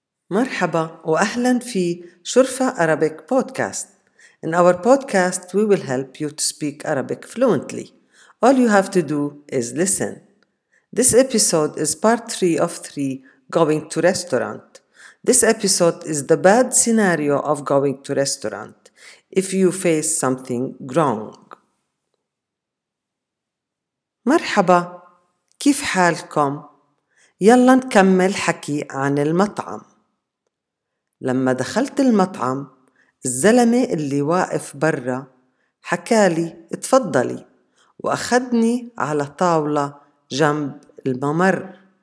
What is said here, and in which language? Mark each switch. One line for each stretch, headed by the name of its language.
Arabic: مرحبا وأهلا في شرفة Arabic Podcast.
English: In our podcast, we will help you to speak Arabic fluently. All you have to do is listen. This episode is part 3 of 3 going to restaurant. This episode is the bad scenario of going to restaurant if you face something wrong.
Arabic: مرحبا كيف حالكم؟ يلا نكمل حكي عن المطعم. لما دخلت المطعم الزلمة اللي واقف برا حكالي اتفضلي وأخدني على طاولة جنب الممر.